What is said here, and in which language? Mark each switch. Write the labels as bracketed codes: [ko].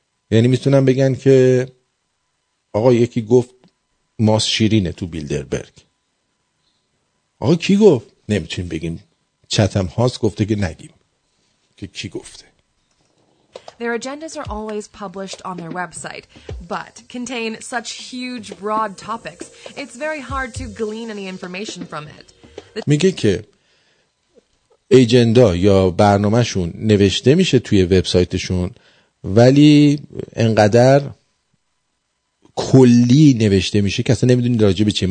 [fa] یعنی میتونن بگن که آقا یکی گفت ماست شیرینه تو بیلدربرگ. آقا کی گفت؟ نمیتونیم بگیم. چتم هاست گفته که نگیم که کی گفته. [en] Their agendas are always published on their website, but contain such huge broad topics, it's very hard to glean any information from it. [fa] میگه که اجندا یا برنامه‌شون نوشته میشه توی وبسایتشون، ولی انقدر کلی نوشته میشه که اصلا نمیدونید راجع به چی.